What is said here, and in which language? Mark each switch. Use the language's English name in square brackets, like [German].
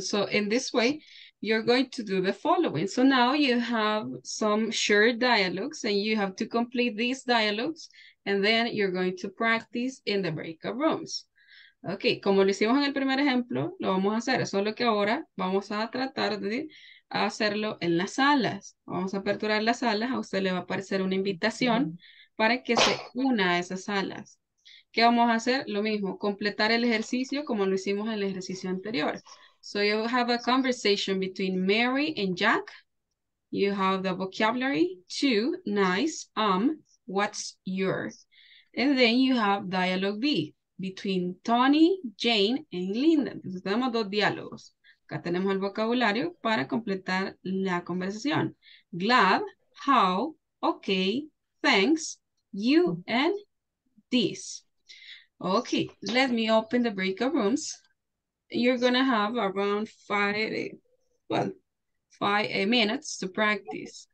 [English] So in this way, you're going to do the following. So now you have some shared dialogues and you have to complete these dialogues and then you're going to practice in the breakout rooms. [Spanish] Okay, como lo hicimos en el primer ejemplo, lo vamos a hacer, solo que ahora vamos a tratar de hacerlo en las salas. Vamos a aperturar las salas, a usted le va a aparecer una invitación para que se una a esas salas. ¿Qué vamos a hacer? Lo mismo, completar el ejercicio como lo hicimos en el ejercicio anterior. [English] So you have a conversation between Mary and Jack. You have the vocabulary, two, nice, what's yours? And then you have dialogue B, between Tony, Jane, and Linda. [Spanish] Entonces tenemos dos diálogos. Acá tenemos el vocabulario para completar la conversación. [English] Glad, how, okay, thanks, you, and this. Okay, let me open the breakout rooms. You're gonna have around five minutes to practice.